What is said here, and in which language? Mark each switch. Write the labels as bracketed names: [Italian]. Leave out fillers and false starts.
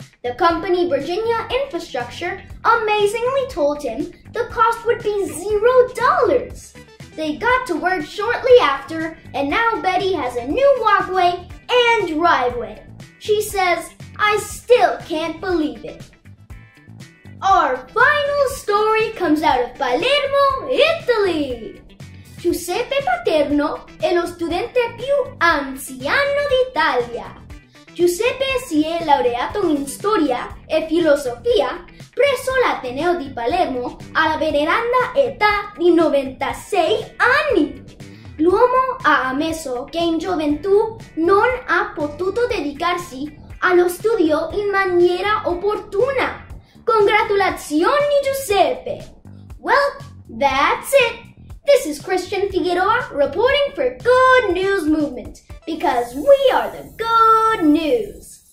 [English] The company Virginia Infrastructure amazingly told him the cost would be $0. They got to work shortly after, and now Betty has a new walkway and driveway. She says, "I still can't believe it." Our final story comes out of Palermo, Italy. [Italian] Giuseppe Paterno è lo studente più anziano d'Italia. Giuseppe si è laureato in storia e filosofia presso l'Ateneo di Palermo alla veneranda età di 96 anni. L'uomo ha ammesso che in gioventù non ha potuto dedicarsi allo studio in maniera opportuna. Congratulazioni, [English] Giuseppe! Well, that's it! This is Christian Figueroa reporting for Good News Movement, because we are the good news!